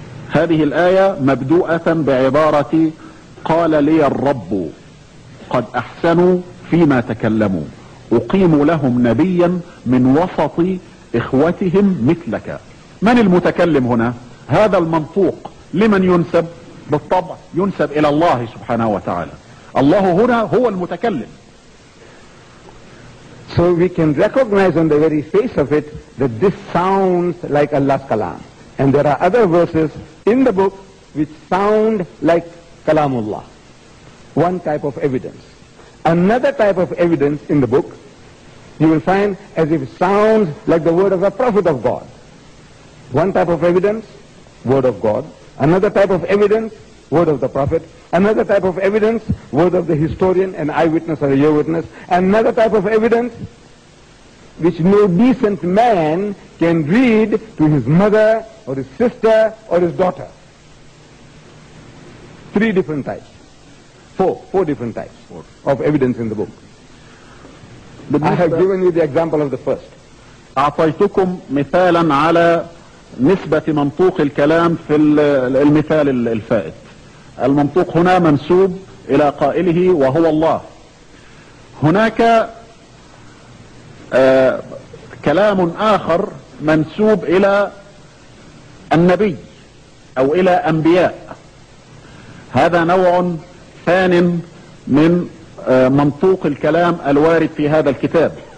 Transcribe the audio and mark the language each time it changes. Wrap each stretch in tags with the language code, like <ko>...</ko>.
<ar>هذه الآية مبدوءة بعبارة: قال لي الرب قد أحسنوا فيما تكلموا، أقيم لهم نبيا من وسط إخوتهم مثلك. من المتكلم هنا؟ هذا المنطوق لمن ينسب؟ بالطبع ينسب إلى الله سبحانه وتعالى. الله هنا هو المتكلم.</ar> <en>So we can recognize on the very face of it that this sounds like Allah's kalam. And there are other verses in the book which sound like kalamullah. One type of evidence. Another type of evidence in the book, you will find as if it sounds like the word of a prophet of God. One type of evidence, word of God. Another type of evidence, word of the prophet. Another type of evidence, word of the historian, an eyewitness or a ear witness. Another type of evidence, which no decent man can read to his mother or his sister or his daughter. Three different types. Four different types of evidence in the book. But I have given you the example of the first.</en> <ar>أعطيتكم مثالا على نسبة منطوق الكلام في المثال الفائت. المنطوق هنا منسوب إلى قائله وهو الله. هناك كلام آخر منسوب إلى النبي أو إلى أنبياء، هذا نوع ثان من منطوق الكلام الوارد في هذا الكتاب.</ar>